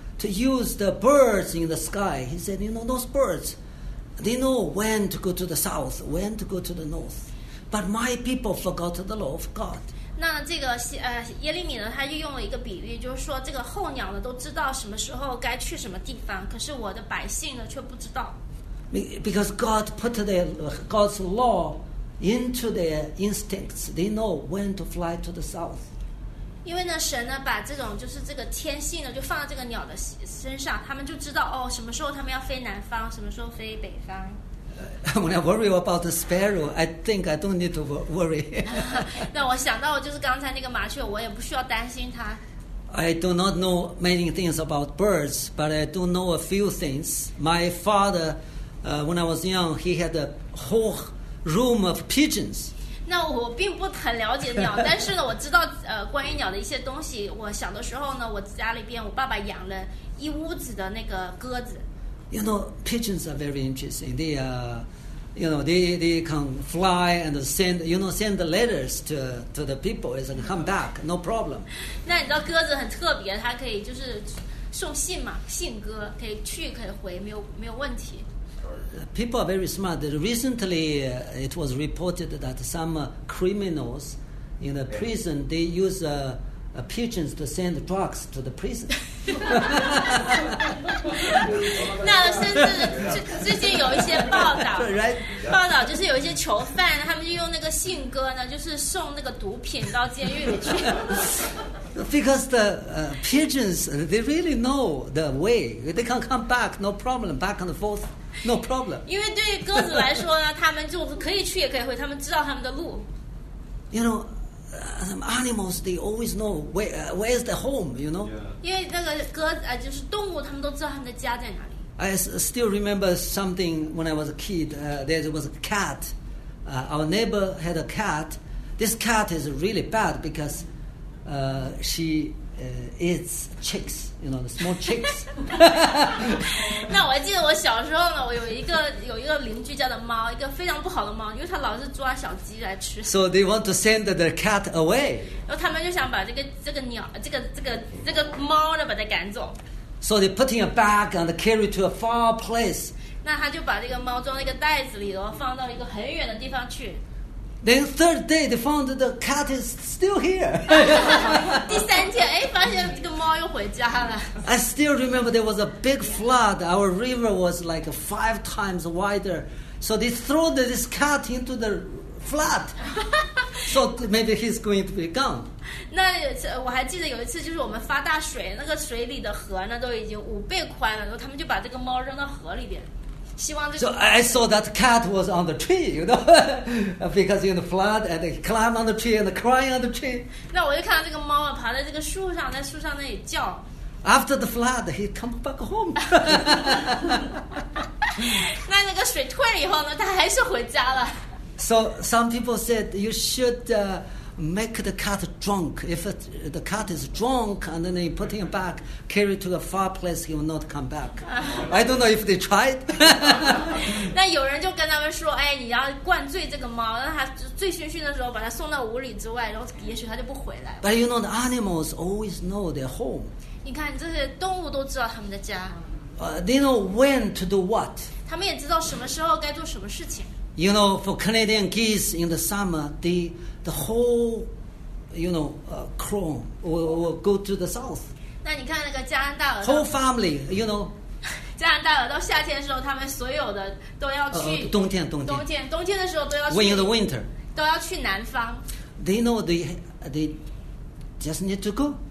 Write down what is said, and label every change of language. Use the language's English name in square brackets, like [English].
[English] To use the birds in the sky, he said, "You know those birds; they know when to go to the south, when to go to the north. But my people forgot the law of God." [Chinese] 那这个耶利米呢，他就用了一个比喻，就是说这个候鸟呢都知道什么时候该去什么地方，可是我的百姓呢却不知道。 [English] Because God put God's law into their instincts, they know when to fly to the south. [Chinese] 因为呢，神呢把这种就是这个天性呢，就放到这个鸟的身上，他们就知道哦，什么时候他们要飞南方，什么时候飞北方。 [English] When I worry about the sparrow, I think I don't need to worry. [Chinese] 那我想到就是刚才那个麻雀，我也不需要担心它。 [English] I do not know many things about birds, but I do know a few things. My father, when I was young, he had a whole room of pigeons. [Chinese] 那我并不很了解鸟，但是呢，我知道关于鸟的一些东西。我小的时候呢，我家里边我爸爸养了一屋子的那个鸽子。 [English] You know, pigeons are very interesting. They are, you know, they can fly and send, you know, send the letters to the people and come back, no problem. [Chinese] 那你知道鸽子很特别，它可以就是送信嘛，信鸽可以去可以回，没有问题。 [English] People are very smart. Recently, it was reported that some criminals in a prison, they use pigeons to send drugs to the prison. [Chinese] 那甚至最近有一些报道， [English] right? [Chinese] 报道就是有一些囚犯，他们就用那个信鸽呢，就是送那个毒品到监狱里去。 [English] Because the pigeons, they really know the way. They can come back, no problem, back and forth. No problem. [Chinese] 因为对于鸽子来说呢，他们就可以去也可以回，他们知道他们的路。 [English] You know, some animals they always know where is the home. You know. Yeah. [Chinese] 因为那个鸽子就是动物，他们都知道他们的家在哪里。 [English] I still remember something when I was a kid. There was a cat. Our neighbor had a cat. This cat is really bad because, she. It's chicks, you know, the small chicks. [Chinese] 那我记得我小时候呢，我有一个邻居家的猫，一个非常不好的猫，因为它老是抓小鸡来吃。 [English] So they want to send the cat away. [Chinese] 然后他们就想把这个鸟，这个猫呢，把它赶走。 [English] So they put in a bag and carry to a far place. [Chinese] 那他就把这个猫装在一个袋子里，然后放到一个很远的地方去。 [English] Then third day, they found the cat is still here. [Chinese] 第三天，哎，发现这个猫又回家了。 [English] I still remember there was a big flood. Our river was like 5 times wider. So they threw this cat into the flood. So maybe he's going to be gone. [Chinese] 那我还记得有一次，就是我们发大水，那个水里的河呢都已经5倍宽了，然后他们就把这个猫扔到河里边。 [English] So I saw that cat was on the tree, you know, because in the flood, and they climb on the tree and cry on the tree. [Chinese] 那我就看到这个猫啊，爬在这个树上，在树上那里叫。 [English] After the flood, he come back home. [Chinese] 那个水退了以后呢，他还是回家了。 [English] So some people said you should make the cat drunk. If it, the cat is drunk and then they put him back, carry to a far place, he will not come back. I don't know if they tried. [Chinese] 那有人就跟他们说，哎，你要灌醉这个猫，让它醉醺醺的时候把它送到屋里之外，然后也许它就不回来。 [English] But you know, the animals always know their home. [Chinese] 你看这些动物都知道他们的家。 [English] They know when to do what. [Chinese] 他们也知道什么时候该做什么事情。 [English] You know, for Canadian geese in the summer, the whole, you know, clone will go to the south. [Chinese] 那你看那个加拿大鹅 [English] whole family, you know. [Chinese] 加拿大鹅到夏天的时候，他们所有的都要去冬天的时候都要去 [English] in the winter [Chinese] 都要去南方。 [English] They know they just need to go.